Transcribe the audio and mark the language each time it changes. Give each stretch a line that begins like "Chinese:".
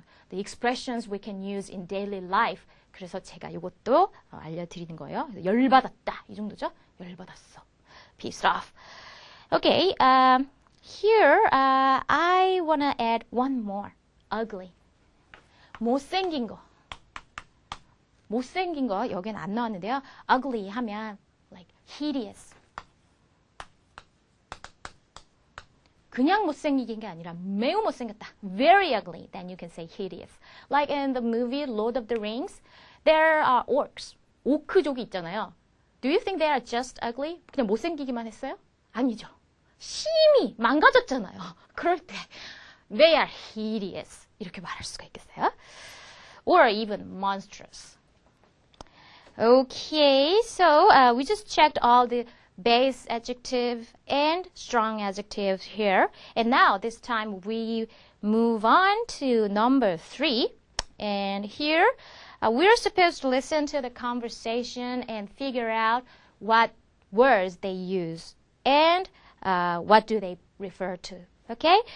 English: The expressions we can use in daily life.
Korean: 그래서 제가 이것도 알려드리는 거예요. 열받았다. 이 정도죠? 열받았어.
English: Pissed off. Okay, here I want to add one more. Ugly.
Korean: 못생긴 거. 못생긴 거 여긴 안 나왔는데요.
English: Ugly 하면 like hideous.
Korean: 그냥 못생긴 게 아니라 매우 못생겼다.
English: Very ugly. Then you can say hideous. Like in the movie Lord of the Rings, there are orcs.
Korean: 오크족이 있잖아요.
English: Do you think they are just ugly?
Korean: 그냥 못생기기만 했어요? 아니죠. 심히 망가졌잖아요. 그럴 때
English: they are hideous.
Korean: 이렇게 말할 수가 있겠어요?
English: Or even monstrous. Okay, so we just checked all the base adjective and strong adjectives here. And now this time we move on to number three. And here we're supposed to listen to the conversation and figure out what words they use and what do they refer to. Okay?